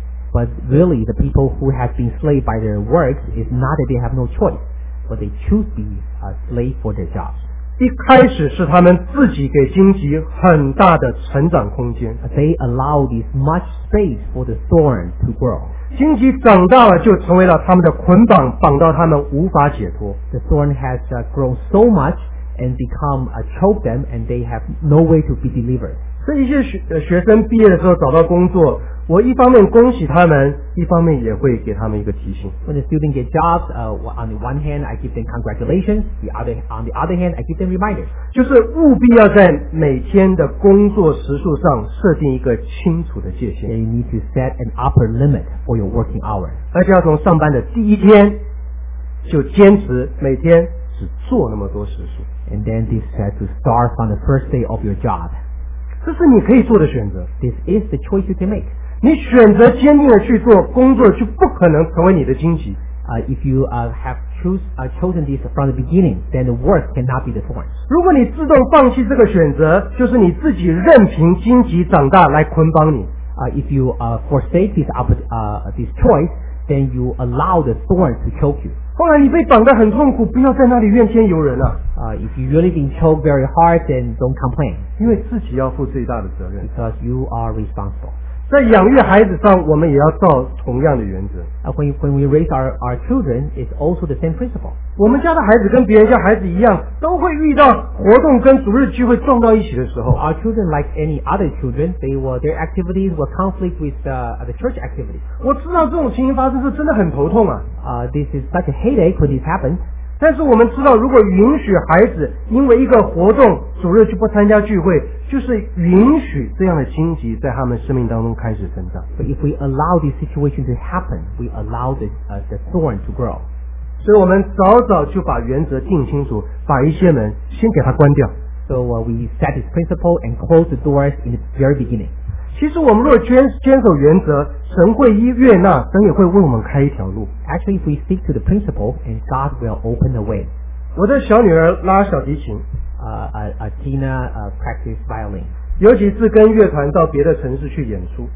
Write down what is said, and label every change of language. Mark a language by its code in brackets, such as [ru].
[en] But really, the people who have been slaved by their work is not that they have no choice, but they choose to be a slave for their jobs. [zh] 一开始是他们自己给荆棘很大的成长空间。 [en] They allow this much space for the thorn to grow. [zh] 荆棘长大了就成为了他们的捆绑，绑到他们无法解脱。 [en] The thorn has grown so much and become a choke them, and they have no way to be delivered. [zh] 所以一些 学生毕业的时候找到工作，我一方面恭喜他们，一方面也会给他们一个提醒。 [en] When the student get jobs, on the one hand I give them congratulations, on the other hand I give them reminders. [zh] 就是务必要在每天的工作时数上设定一个清楚的界限。 [en] And you need to set an upper limit for your working hours. [zh] 而且要从上班的第一天就坚持每天只做那么多时数。 [en] And then decide to start from the first day of your job. [zh] 这是你可以做的选择。 [en] This is the choice you can make. [zh] 你选择坚定的去做工作，就不可能成为你的荆棘。 [en] If you have chosen this from the beginning, then the work cannot be the thorn. [zh] 如果你自动放弃这个选择，就是你自己任凭荆棘长大来捆绑你。 [en] If you forsake this choice, then you allow the thorn to choke you. [zh] 后来你被绑得很痛苦，不要在那里怨天尤人了。 [en] If you really been choked very hard, then don't complain. [zh] 因为自己要负最大的责任。 [en] Because you are responsible. [zh] 在养育孩子上，我们也要照同样的原则。 [en] When we raise our children, it's also the same principle. [zh] 我们家的孩子跟别人家孩子一样，都会遇到活动跟主日聚会撞到一起的时候。 [en] Our children, like any other children, their activities were conflict with the church activities. [zh] 我知道这种情形发生是真的很头痛啊。 [en] This is such a headache when this happens. [zh] 但是我们知道，如果允许孩子因为一个活动主日就不参加聚会，就是允许这样的荆棘在他们生命当中开始生长。 [en] But if we allow this situation to happen, we allow the thorn to grow. [zh] 所以我们早早就把原则定清楚，把一些门先给它关掉。 [en] So we set this principle and close the doors in the very beginning. [zh] 其实我们若坚守原则，神会悦纳，神也会为我们开一条路。 [en] Actually, if we stick to the principle, and God will open the way. [zh] 我的小女儿拉小提琴。 [en] Tina practice violin. [zh] 尤其是跟乐团到别的城市去演出。